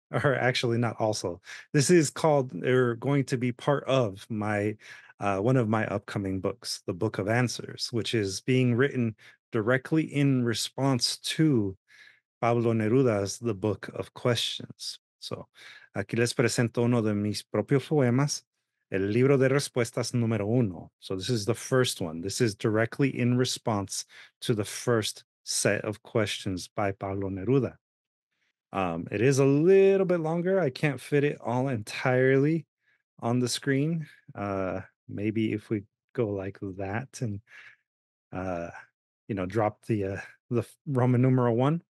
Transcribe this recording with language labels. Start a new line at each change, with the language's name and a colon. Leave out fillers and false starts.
English: Or actually, not also. This is called, they're going to be part of my one of my upcoming books, The Book of Answers, which is being written directly in response to Pablo Neruda's The Book of Questions.
Spanish: So, aquí les presento uno de mis propios poemas, El Libro de Respuestas Número Uno.
English: So, this is the first one. This is directly in response to the first set of questions by Pablo Neruda. It is a little bit longer. I can't fit it all entirely on the screen. Maybe if we go like that and, you know, drop the Roman numeral one.